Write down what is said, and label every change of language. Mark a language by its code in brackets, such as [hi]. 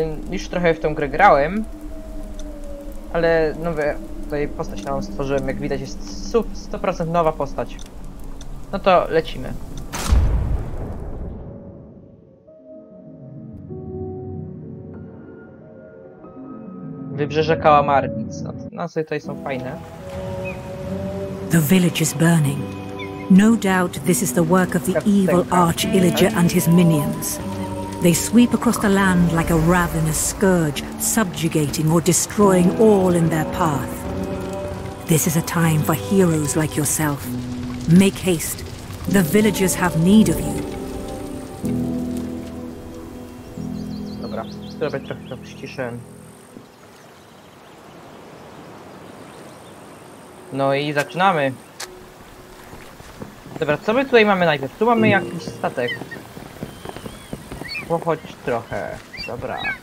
[pl] Już trochę w tą grę grałem, ale nowe tutaj postać nową stworzyłem, jak widać jest 100% nowa postać. No to lecimy. Wybrzeże Kałamarnic, no te nazwy tutaj są fajne. [en] The village is burning. No doubt this is the work of the evil Arch-Illager and his minions. They sweep across the land like a ravenous scourge, subjugating or destroying all in their path. This is a time for heroes like yourself. Make haste. The villagers have need of you. [pl] Dobra, zrobię trochę przyciszę. No i zaczynamy. Dobra, co my tutaj mamy najpierw? Tu mamy jakiś statek. Pochodź trochę. Dobra.